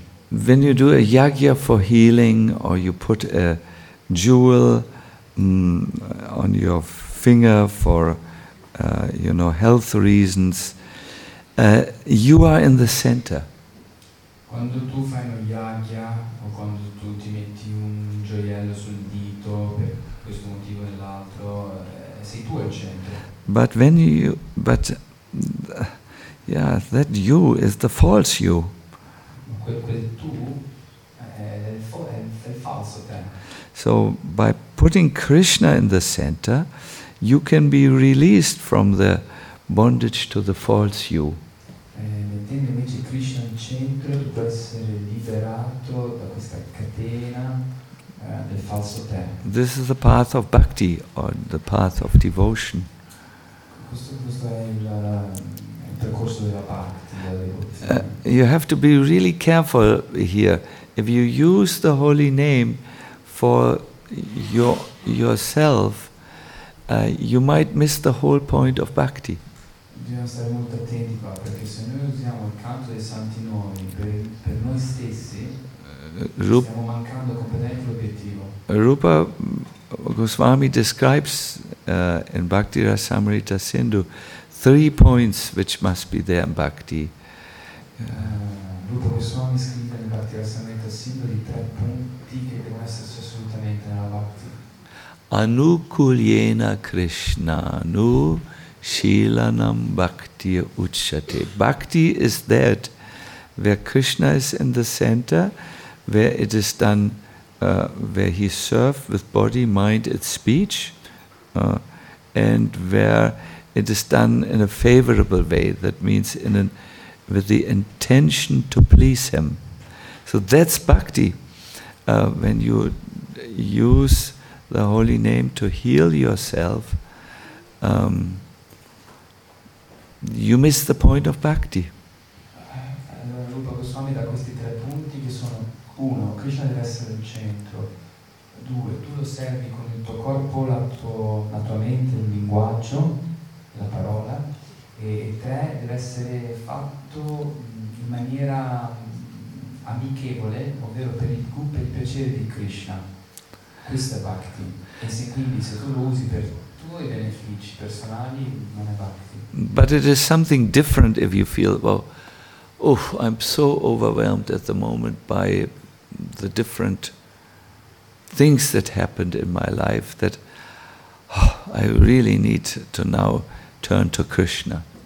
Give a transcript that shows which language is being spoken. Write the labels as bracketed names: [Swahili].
[English] When you do a yagya for healing, or you put a jewel on your finger for, you know, health reasons, you are in the center. [Italian] Quando tu fai un yagya o quando tu ti metti un gioiello sul dito per questo motivo o l'altro, sei tu al centro. [English] But when you, but yeah, that you is the false you. [Italian] Quel tu è il falso te. [English] So by putting Krishna in the center, you can be released from the bondage to the false you. [Italian] Mettendo invece Krishna al centro, tu puoi essere liberato da questa catena del falso te. [English] This is the path of bhakti, or the path of devotion. [Italian] Questo è il percorso della bhakti, della devozione. [English] You have to be really careful here. If you use the holy name for yourself, you might miss the whole point of bhakti. [Italian] Dobbiamo stare molto attenti qua, perché se noi usiamo il canto dei santi nomi per noi stessi, stiamo mancando completamente l'obiettivo. [English] Rupa Goswami describes in Bhakti Rasamrita Sindhu 3 points which must be there in bhakti. [Italian] Rupa Goswami scrive in Bhakti Rasamrita Sindhu di 3 punti che devono esserci assolutamente nella bhakti. [Sanskrit] Anukulyena Krishna nu Shilanam Bhakti Uchate. [English] Bhakti is that where Krishna is in the center, where it is done, where he is served with body, mind, and speech, and where it is done in a favorable way, that means with the intention to please him. So that's bhakti. When you use the holy name to heal yourself, you miss the point of bhakti. [Italian] Allora Rupa Goswami da questi tre punti che sono: uno, Krishna deve essere il centro; due, tu lo servi con il tuo corpo, la tua mente, il linguaggio, la parola; e tre, deve essere fatto in maniera amichevole, ovvero per il piacere di Krishna. Questo è bhakti. E se quindi se tu lo usi per tuoi benefici personali, non è bhakti. [English] But it is something different if you feel, well, oh, I'm so overwhelmed at the moment by the different things that happened in my life that I really need to now turn to Krishna.